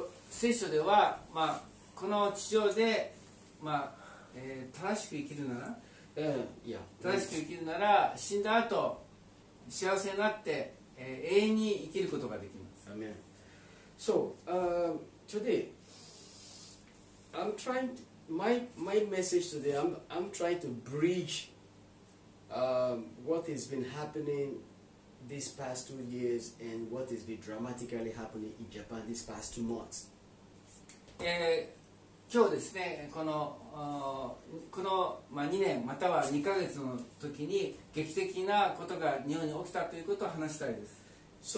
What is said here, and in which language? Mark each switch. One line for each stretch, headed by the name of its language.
Japanese: 聖書では、まあ、この地上で、まあ、正しく生きるなら、正しく生きるなら死んだ後幸せになって、永遠に生きることができます。
English: Amen. So, today, I'm trying to, my message today, I'm trying to bridge what has been happening these past 2 years and what has been dramatically happening in Japan these past 2 months.
Japanese: 今日ですね、この、まあ、2年または2ヶ月の時に劇的なことが日本に起きたということを話したいです。